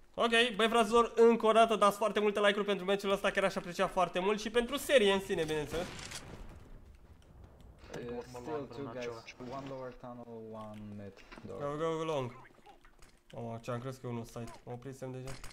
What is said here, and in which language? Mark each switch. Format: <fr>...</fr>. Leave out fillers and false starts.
<ro>Ok, băi fraților, încă o dată dați foarte multe like-uri pentru meciul ăsta, chiar aș aprecia foarte mult și pentru serie în sine, bineînțeles.</ro> <en>Still two guys, one lower tunnel, one mid door. Go, go, go long.</en> <ro>Mama, ce am crezut că e unul site, mă oprisem deja.</ro>